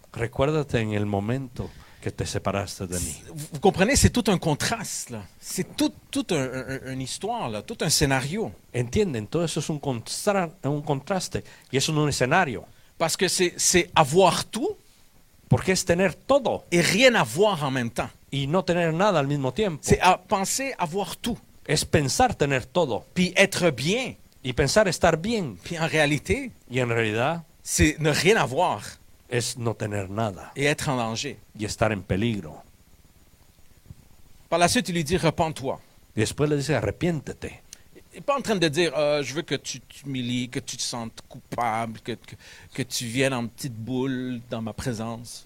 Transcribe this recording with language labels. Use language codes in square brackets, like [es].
[es] Recuérdate en el momento que te separaste de mí. [fr] Vous comprenez, c'est tout un contraste là. C'est toute une histoire là, tout un scénario. [es] ¿Entienden? Todo eso es un contraste y eso no es un escenario. [fr] Parce que c'est avoir tout, [es] porque es tener todo [fr] et rien avoir en même temps. [es] Y no tener nada al mismo tiempo. [fr] C'est penser avoir tout, [es] es pensar tener todo. [fr] Puis être bien, [es] y pensar estar bien. [fr] Puis en réalité, [es] y en realidad, [fr] c'est ne rien avoir. [es] Es no tener nada. [fr] Et être en danger. [es] Y estar en peligro. [fr] Par la suite, il lui dit, repens-toi. [es] Después le dice, arrepiéntete. [fr] Il n'est pas en train de dire, je veux que tu t'humilies, que tu te sentes coupable, que tu viennes en petite boule dans ma présence.